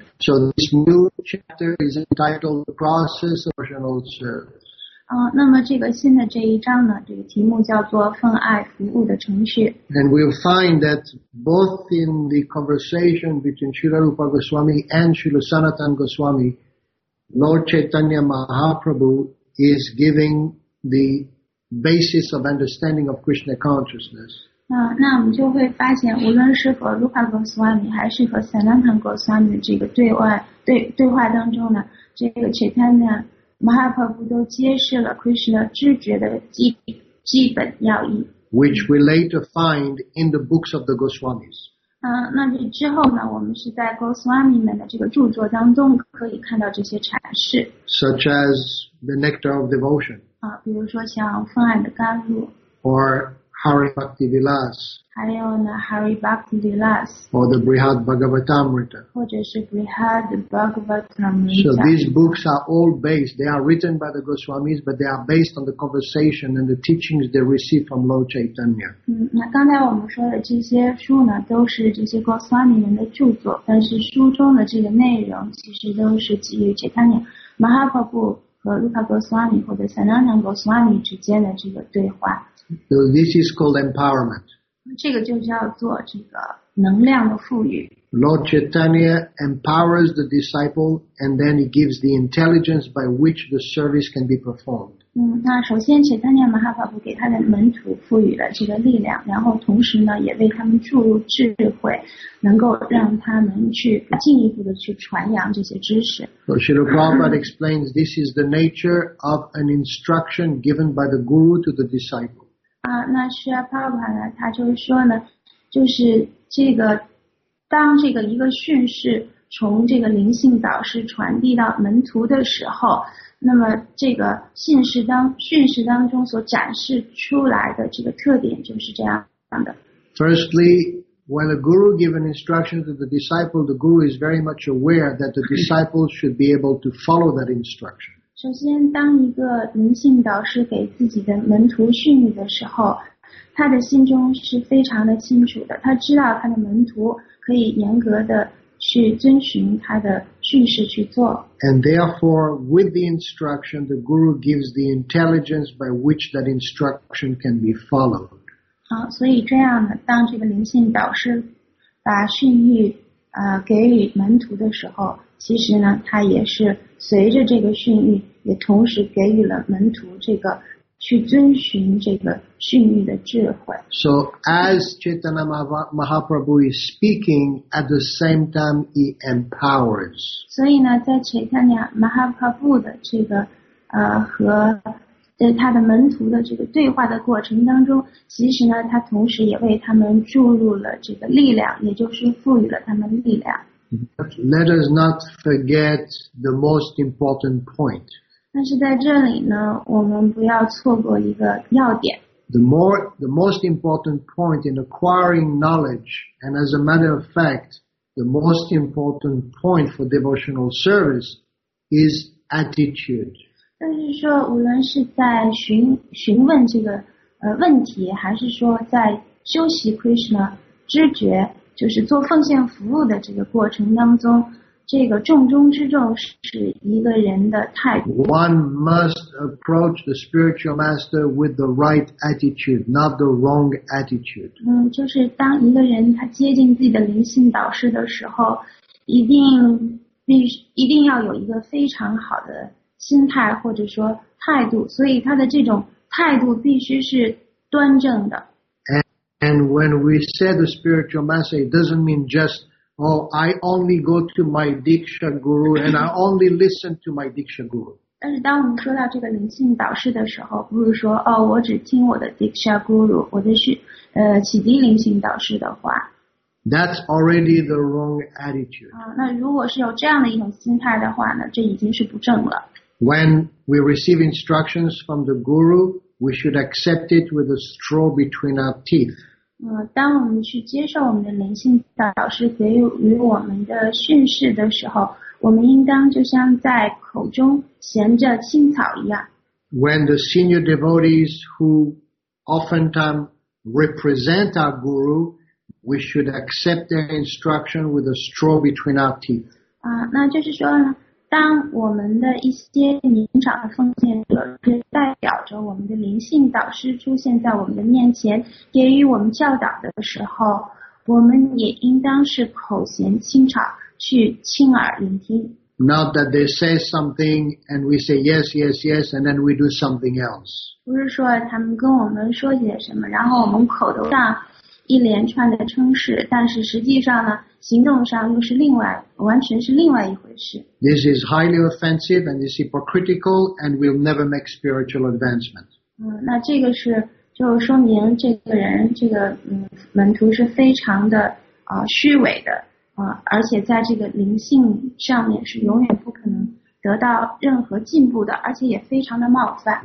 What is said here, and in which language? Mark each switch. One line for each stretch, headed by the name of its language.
English: So this new chapter is entitled "The Process of Devotional Service."
Chinese: 那么这个新的这一章呢，这个题目叫做“奉爱服务的程序”。
English: And we'll find that both in the conversation between Srila Rupa Goswami and Srila Sanatana Goswami, Lord Chaitanya Mahaprabhu is giving the basis of understanding of Krishna consciousness.
Chinese: 那我们就会发现，无论是和卢卡格斯瓦米还是和塞纳坦格斯瓦米的这个对话当中呢，这个切坦尼马哈帕布都揭示了 Krishna 知觉的基本要义。
English: Which we later find in the books of the Goswamis.
Chinese: 那这之后呢，我们是在 Goswami 们的这个著作当中可以看到这些阐释。
English: Such as the nectar of devotion.
Chinese: 比如说像奉爱的甘露
English: or Hari Bhakti Vilas
Chinese: 还有呢 Hari Bhakti Vilas
English: or the Brihad Bhagavatamrita
Chinese: 或者是 Brihad Bhagavatamrita
English: So these books are all based they are written by the Goswamis but they are based on the conversation and the teachings they receive from Lord Chaitanya
Chinese: 那刚才我们说的这些书呢都是这些 Goswami 们的著作但是书中的这个内容其实都是基于 Chaitanya Mahaprabhu和卢卡格斯瓦米或者塞纳坦格斯瓦米之间的这个对话。
English: So this is called empowerment.
Chinese: 这个就叫做这个能量的赋予。
English: Lord Chaitanya empowers the disciple and then he gives the intelligence by which the service can be performed.
Chinese: 那首先切坦尼亚马哈帕布给他的门徒赋予了这个力量然后同时呢也为他们注入智慧能够让他们去进一步的去传扬这些知识。
English: So Srila Prabhupada explains this is the nature of an instruction given by the guru to the disciple.
Chinese: 那Srila Prabhupada呢他就是说呢就是这个当这个一个训示从这个灵性导师传递到门徒的时候，那么这个训示当中所展示出来的这个特点就是这样的。
English: Firstly, when a guru gives instruction to the disciple, the guru is very much aware that the disciple should be able to follow that instruction.
Chinese: 首先，当一个灵性导师给自己的门徒训练的时候，他的心中是非常的清楚的，他知道他的门徒可以严格的去遵循他的训示去做。
English: And therefore, with the instruction, the guru gives the intelligence by which that instruction can be followed.
Chinese: 好，所以这样呢，当这个灵性导师把训谕给予门徒的时候，其实呢，他也是随着这个训谕，也同时给予了门徒这个去遵循这个训谕的智慧。
English: So as Chaitanya Mahaprabhu is speaking, at the same time he empowers.
Chinese: 所以呢，在 Chaitanya Mahaprabhu 的这个和在他的门徒的这个对话的过程当中，其实呢，他同时也为他们注入了这个力量，也就是赋予了他们力量。
English: Let us not forget the most important point.
Chinese: 但是在这里呢，我们不要错过一个要点。
English: The most important point in acquiring knowledge, and as a matter of fact, the most important point for devotional service is attitude.
Chinese: 但是说，无论是在询问这个问题，还是说在修习 Krishna 知觉。就是做奉献服务的这个过程当中，这个重中之重是一个人的态度。
English: One must approach the spiritual master with the right attitude, not the wrong attitude.
Chinese: 就是当一个人他接近自己的灵性导师的时候，一定要有一个非常好的心态或者说态度，所以他的这种态度必须是端正的。
English: And when we say the spiritual master, it doesn't mean just, oh, I only go to my Diksha Guru and I only listen to my Diksha Guru.
Chinese: 但是当我们说到这个灵性导师的时候，不是说哦，我只听我的 Diksha Guru, 我的启迪灵性导师的话。
English: That's already the wrong attitude.
Chinese: 那如果是有这样的一种心态的话呢，这已经是不正了。
English: When we receive instructions from the Guru,We should accept it with a straw between our teeth.
Chinese: 当我们去接受我们的灵性导师给予我们的训示的时候，我们应当就像在口中衔着青草一样。
English: When the senior devotees who oftentimes represent our guru, we should accept their instruction with a straw between our teeth.
Chinese: 那就是说呢，当我们的一些年长的奉献者是代表着我们的灵性导师出现在我们的面前给予我们教导的时候，我们也应当是口衔轻草去亲耳聆听。
English: Not that they say something and we say yes, yes, yes, and then we do something else.
Chinese: 不是说他们跟我们说些什么，然后我们口头上一连串的称是，但是实际上呢，行动上又是完全是另外一回事。
English: This is highly offensive and is hypocritical and will never make spiritual advancement.
Chinese: 那这个是就说明这个人这个门徒是非常的虚伪的而且在这个灵性上面是永远不可能得到任何进步的，而且也非常的冒犯。